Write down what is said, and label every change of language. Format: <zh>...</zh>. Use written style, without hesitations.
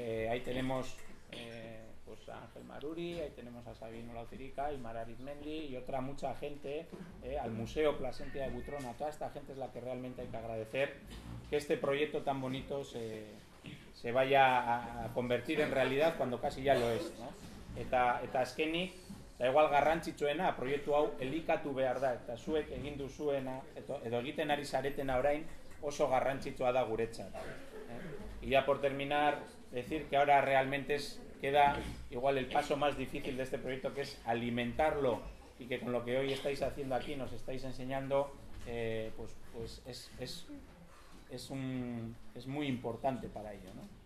<es>Ahí tenemos pues a Ángel Maruri, ahí tenemos a Sabino Lautirica y Mara Arizmendi y otra mucha gente, al Museo Plasencia de Butrona, toda esta gente es la que realmente hay que agradecer que este proyecto tan bonito se vaya a convertir en realidad cuando casi ya lo es, ¿no?</es> <eu>Eta azkenik, da igual garrantzitsuena, proiektu hau elikatu behar da, eta zuek egin duzuena, edo egiten ari zaretena orain, oso garrantzitsua da guretzat.</eu> <es>Y ya por terminar, decir que ahora realmente queda igual el paso más difícil de este proyecto, que es alimentarlo, y que con lo que hoy estáis haciendo aquí, nos estáis enseñando, pues es muy importante para ello, ¿no?</es>